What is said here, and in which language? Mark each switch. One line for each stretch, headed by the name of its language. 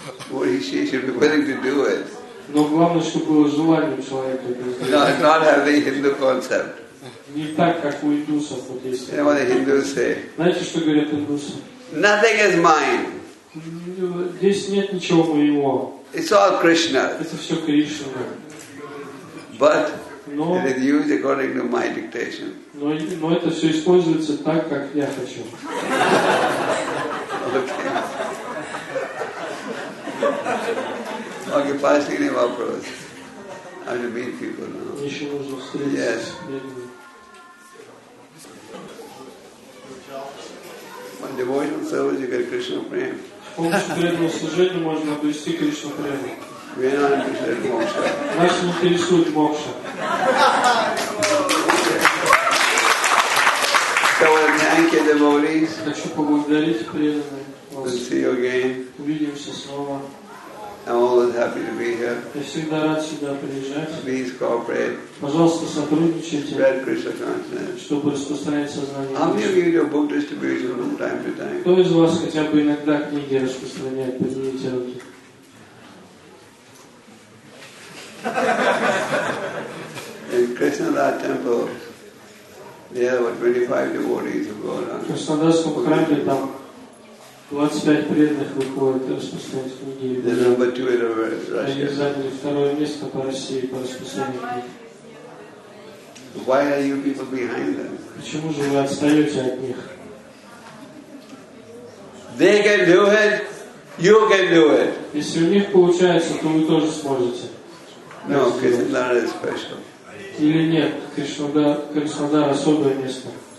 English: What he should be willing to do it.
Russian: Но главное, чтобы было желание человека.
English: Not having Hindu concept.
Russian: Не так, как у индусов вот есть.
English: What the Hindus say?
Russian: Знаете, что говорят индусы?
English: Nothing is mine.
Russian: Здесь нет ничего моего.
English: It's all Krishna.
Russian: Это все Кришна.
English: But it is used according to my dictation.
Russian: Но это все используется так, как я хочу.
English: Okay, passing any more approach. I have to meet people now. Yes. On devotional service, you get Krishna Prem. We are not interested in moksha.
Russian: Нас не интересует мокша.
English: So I want to thank you, devotees.
Russian: Хочу поблагодарить преданных.
English: We'll see you again.
Russian: Увидимся снова.
English: I'm always happy to be here.
Russian: Я всегда рад сюда приезжать.
English: Please cooperate.
Russian: Пожалуйста, сотрудничайте.
English: Spread Krishna consciousness.
Russian: Чтобы распространять сознание.
English: How many of you do book distribution from time to time?
Russian: Кто из вас хотя бы иногда книги распространяет? Поднимите руки.
English: In Krishna temple, there were 25 devotees who go around.
Russian: В Краснодарском храме там 25 преданных выходят распространять книги.
English: The number two in Russia.
Russian: Они заняли второе место по России по распространению книг.
English: Why are you people behind them?
Russian: Почему же вы отстаете от них?
English: They can do it, you can do it.
Russian: Если у них получается, то вы тоже сможете.
English: No, Krishnadar is special.
Russian: Или нет, Кришнадар особое место.